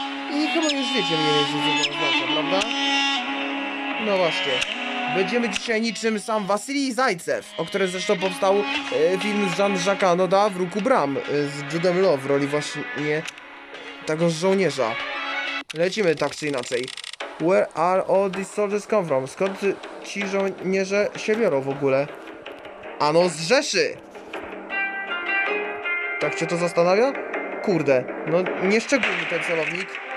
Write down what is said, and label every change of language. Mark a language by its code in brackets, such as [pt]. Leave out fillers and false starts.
[pl] I chyba już wiecie mniej więcej, co to oznacza, prawda? No właśnie. Będziemy dzisiaj niczym sam Wasilii Zajcew, o którym zresztą powstał film z Jean-Jacques Annauda w Ruku Bram z Judem Law w roli właśnie tego żołnierza. Lecimy tak czy inaczej. [en] Where are all these soldiers come from? [pl] Skąd ci żołnierze się biorą w ogóle? Ano z Rzeszy! Tak cię to zastanawia? Kurde, no nieszczególny ten celownik.